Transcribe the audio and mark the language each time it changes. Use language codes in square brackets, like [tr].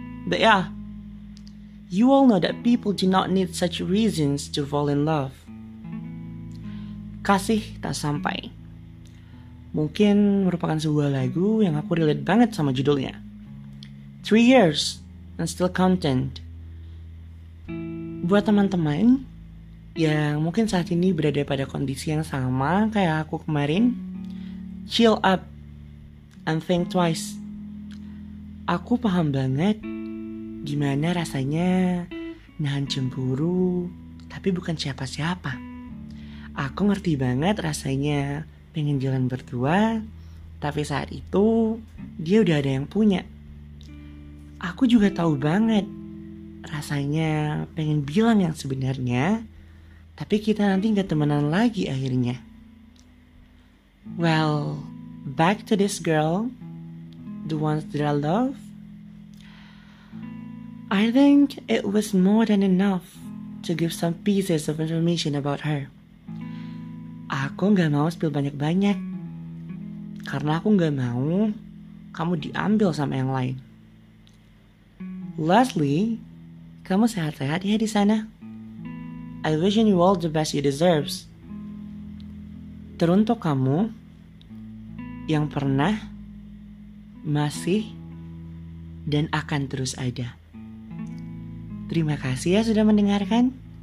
[en] But yeah, you all know that people do not need such reasons to fall in love. [id] Kasih tak sampai. Mungkin merupakan sebuah lagu yang aku relate banget sama judulnya. [en] 3 years and still counting. [id] Buat teman-teman yang mungkin saat ini berada pada kondisi yang sama kayak aku kemarin, [en] chill up and think twice. [id] Aku paham banget gimana rasanya nahan cemburu tapi bukan siapa-siapa. Aku ngerti banget rasanya pengen jalan berdua, tapi saat itu dia udah ada yang punya. Aku juga tahu banget rasanya pengen bilang yang sebenarnya, tapi kita nanti gak temenan lagi akhirnya. [en] Well, back to this girl, the ones that I love. I think it was more than enough to give some pieces of information about her. [id] Aku gak mau spill banyak-banyak, karena aku gak mau kamu diambil sama yang lain. Lastly, kamu sehat-sehat ya di sana. [en] I wish you all the best you deserves. [id] Teruntuk kamu yang pernah, masih, dan akan terus ada. Terima kasih ya sudah mendengarkan.